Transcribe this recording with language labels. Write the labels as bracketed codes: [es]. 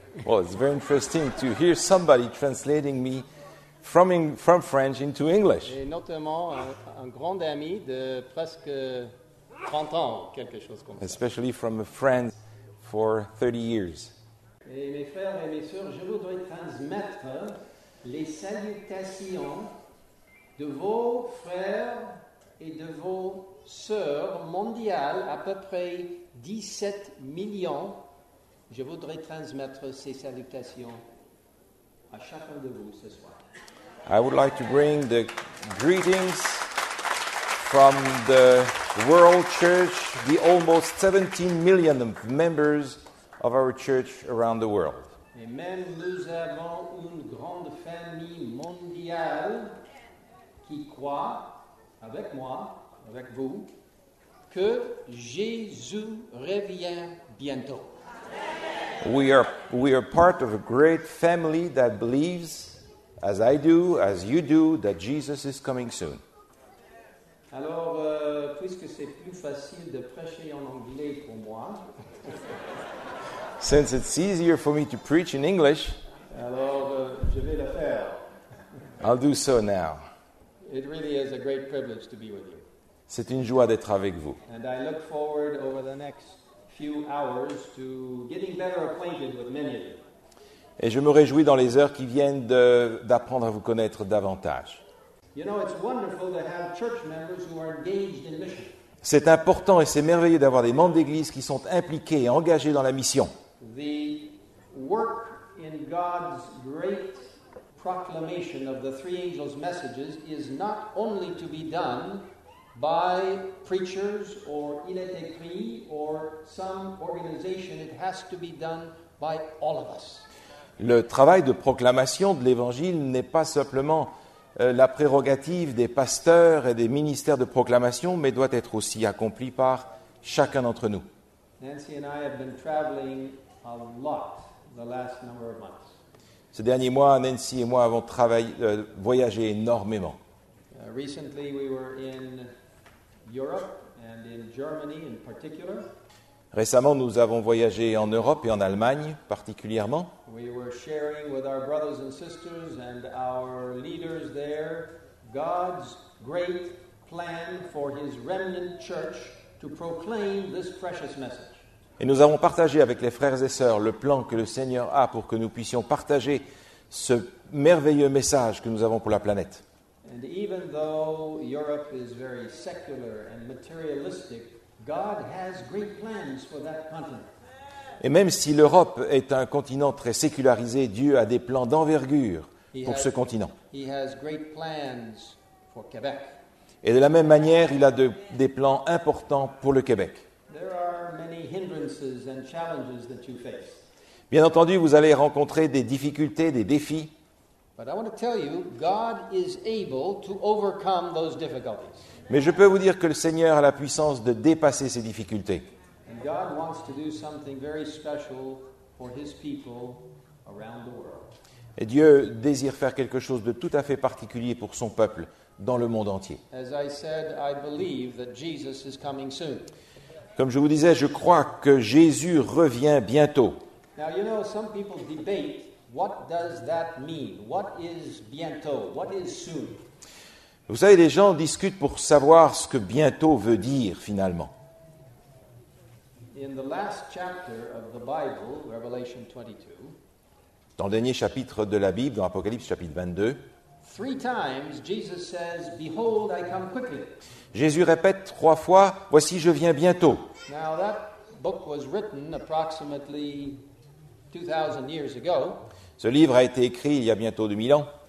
[en] Well, it's very interesting to hear somebody translating me from French into English. [fr] Et notamment un grand ami de presque 30 ans, quelque chose comme ça. [en] Especially from a friend for 30 years. [fr] Et mes frères et mes sœurs, je voudrais transmettre les salutations de vos frères et de vos sœurs mondiales, à peu près 17 millions. Je voudrais transmettre ces salutations à chacun de vous ce soir. [en] I would like to bring the greetings from the World Church, the almost 17 million members of our church around the world. [fr] Et même nous avons une grande famille mondiale qui croit avec moi, avec vous, que Jésus revient bientôt. [en] We are part of a great family that believes, as I do, as you do, that Jesus is coming soon. [fr] Alors, puisque c'est plus facile de prêcher en anglais pour moi. [en] Since it's easier for me to preach in English. [fr] Alors, je vais le faire. [en] I'll do so now. It really is a great privilege to be with you. [fr] C'est une joie d'être avec vous. [en] And I look forward over the next few hours to getting better acquainted with many of you. [fr] Et je me réjouis dans les heures qui viennent d'apprendre à vous connaître davantage. [en] You know, it's wonderful to have church members who are engaged in mission. [fr] C'est important et c'est merveilleux d'avoir des membres d'église qui sont impliqués et engagés dans la mission. [en] The work in God's great proclamation of the three angels' messages is not only to be done by preachers or [fr] il est écrit [en] or some organization, it has to be done by all of us. [fr] Le travail de proclamation de l'Évangile n'est pas simplement la prérogative des pasteurs et des ministères de proclamation, mais doit être aussi accompli par chacun d'entre nous. [en] Nancy and I have been traveling a lot the last number of months. [fr] Ce dernier mois, Nancy et moi avons voyagé énormément. [en] Recently, we were in Europe and in Germany in particular. [fr] Récemment, nous avons voyagé en Europe et en Allemagne, particulièrement. [en] We were sharing with our brothers and sisters and our leaders there God's great plan for His remnant church to proclaim this precious message. [fr] Et nous avons partagé avec les frères et sœurs le plan que le Seigneur a pour que nous puissions partager ce merveilleux message que nous avons pour la planète. [en] And even though Europe is very secular and materialistic, God has great plans for that continent. [fr] Et même si l'Europe est un continent très sécularisé, Dieu a des plans d'envergure pour ce continent. [en] He has great plans for Quebec. [fr] Et de la même manière, il a des plans importants pour le Québec. [en] There are many hindrances and challenges that you face. [fr] Bien entendu, vous allez rencontrer des difficultés, des défis. [en] But I want to tell you, God is able to overcome those difficulties. [fr] Mais je peux vous dire que le Seigneur a la puissance de dépasser ses difficultés. [en] And God wants to do something very special for His people around the world. [fr] Et Dieu désire faire quelque chose de tout à fait particulier pour son peuple dans le monde entier. [en] As I said, I believe that Jesus is coming soon. [fr] Comme je vous disais, je crois que Jésus revient bientôt. [en] Now, you know, some people debate, what does that mean? What is bientôt? What is soon? [fr] Vous savez, les gens discutent pour savoir ce que bientôt veut dire, finalement. [en] In the last chapter of the Bible, Revelation 22, [fr] dans le dernier chapitre de la Bible, dans Apocalypse chapitre 22, [en] three times Jesus says, "Behold, I come quickly." [fr] Jésus répète trois fois, « Voici, je viens bientôt. » [en] Now, that book was written approximately 2000 years ago. [fr] Ce livre a été écrit il y a bientôt 2000 ans.